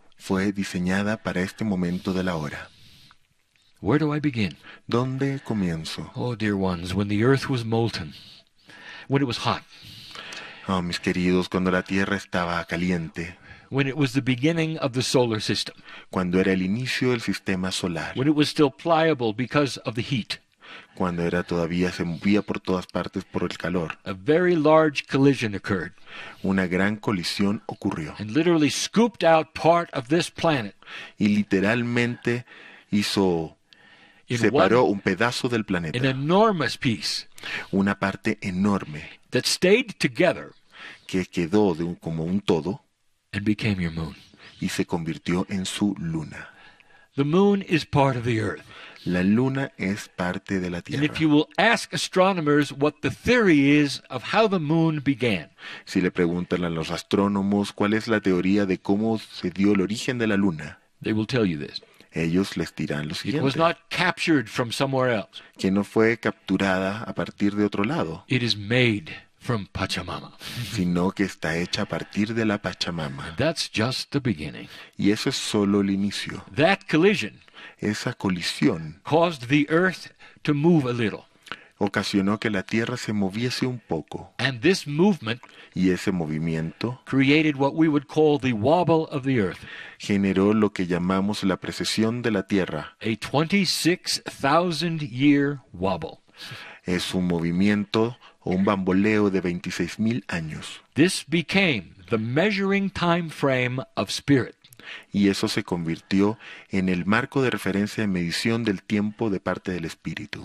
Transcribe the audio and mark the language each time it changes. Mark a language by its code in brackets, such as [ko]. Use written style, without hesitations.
[es] Fue diseñada para este momento de la hora. [en] Where do I begin? [es] ¿Dónde comienzo? [en] Oh, dear ones, when the earth was molten, when it was hot. [es] Oh, mis queridos, cuando la tierra estaba caliente. [en] When it was the beginning of the solar system. [es] Cuando era el inicio del sistema solar. [en] When it was still pliable because of the heat. [es] Cuando era todavía se movía por todas partes por el calor. [en] A very large collision occurred. [es] Una gran colisión ocurrió. [en] And literally scooped out part of this planet. [es] Y literalmente hizo separó un pedazo del planeta. [en] An enormous piece. [es] Una parte enorme. [en] That stayed together. [es] Que quedó de un, como un todo. [en] And became your moon. [es] Y se convirtió en su luna. [en] The moon is part of the earth. [es] La luna es parte de la tierra. [en] And if you will ask astronomers what the theory is of how the moon began. [es] Si le preguntan a los astrónomos cuál es la teoría de cómo se dio el origen de la luna. [en] They will tell you this. [es] Ellos les dirán lo siguiente. [en] It was not captured from somewhere else. [es] Que no fue capturada a partir de otro lado. [en] It is made from Pachamama. [es] Sino que está hecha a partir de la Pachamama. [en] That's just the beginning. [es] Y eso es solo el inicio. [en] That collision. [es] Esa colisión. [en] Caused the earth to move a little. [es] Ocasionó que la tierra se moviese un poco. [en] And this movement. [es] Y ese movimiento. [en] Created what we would call the wobble of the earth. [es] Generó lo que llamamos la precesión de la tierra. [en] A 26,000 year wobble. [es] Es un movimiento o un bamboleo de 26,000 años. [en] This became the measuring time frame of spirit. [es] Y eso se convirtió en el marco de referencia de medición del tiempo de parte del espíritu.